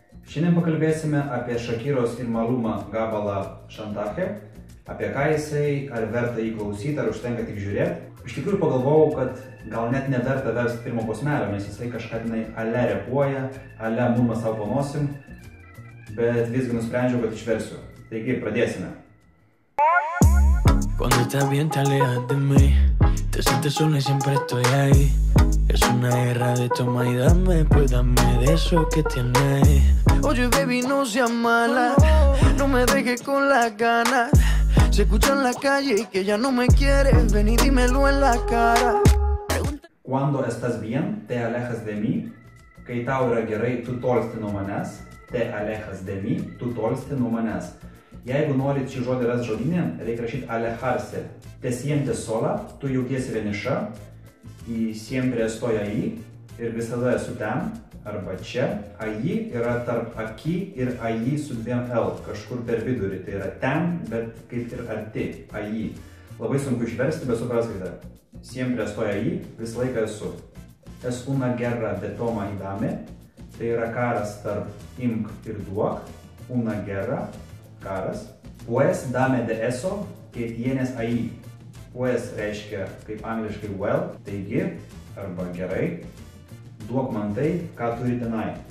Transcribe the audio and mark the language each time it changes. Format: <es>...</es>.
<lt>Šiandien pakalbėsime apie Shakiros ir Maluma gabalą Šantaje, apie ką jisai, ar verta jį klausyti, ar užtenka tik žiūrėti. Iš tikrųjų pagalvojau, kad gal net neverta versti pirmo posmelio, nes jisai kažką tenai ale repuoja, ale mumą savo panosim, bet visgi nusprendžiau, kad išversiu. Taigi, pradėsime.</lt> <es>Cuando estás bien te alejas de mí, te sientes sola y siempre estoy ahí. Es una guerra de toma y dame, pues dame de eso que tienes. Oye baby, no seas mala, no me dejes con las ganas. Se escucha en la calle que ya no me quieres, ven y dímelo en la cara. Cuando estás bien, te alejas de mí.</es> <lt>Kai tau yra gerai, tu tolsti nuo manęs.</lt> <es>Te alejas de mí,</es> <lt>tu tolsti nuo manęs. Jeigu norit šį žodį ras žodinė, reikia rašyti alejarse.</lt> <es>Te sientes sola,</es> <lt>tu jautiesi vieniša.</lt> <es>Y siempre estoy ahí,</es> <lt>ir visada esu ten, arba čia. Ahí yra tarp aquí ir ahí su dviem L, kažkur per vidurį. Tai yra ten, bet kaip ir arti, ahí. Labai sunku išversti, bet supraskite.</lt> <es>Siempre estoy ahí,</es> <lt>visą laiką esu.</lt> <es>Es una guerra de toma y dame.</es> <lt>Tai yra karas tarp imk ir duok.</lt> <es>Una guerra, karas. Pues dame de eso, que tienes ahí.</es> <lt>Pues reiškia kaip angliškai well, taigi, arba gerai. Duok man tai, ką turi tenai.</lt>